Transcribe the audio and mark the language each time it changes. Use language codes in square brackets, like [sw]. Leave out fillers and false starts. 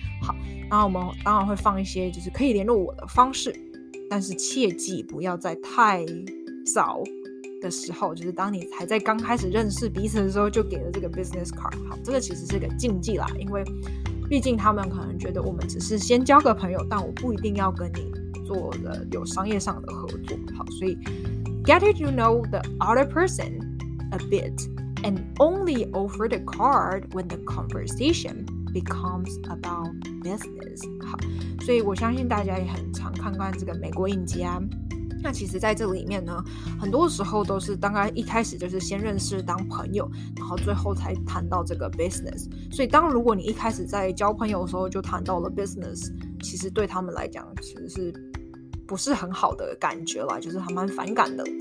[zh] 好，然后我们当然会放一些就是可以联络我的方式，但是切记不要在太早的时候，就是当你还在刚开始认识彼此的时候就给了这个 business card。好，这个其实是个禁忌啦，因为毕竟他们可能觉得我们只是先交个朋友，但我不一定要跟你做的有商业上的合作。好，所以 [en] get to know the other person a bit and only offer the card when the conversation becomes about business。 [zh] 好，所以我相信大家也很常看这个美国影集啊，那其实在这里面呢，很多时候都是大概一开始就是先认识当朋友，然后最后才谈到这个 business。所以当如果你一开始在交朋友的时候就谈到了 business， 其实对他们来讲其实是不是很好的感觉啦，就是还蛮反感的。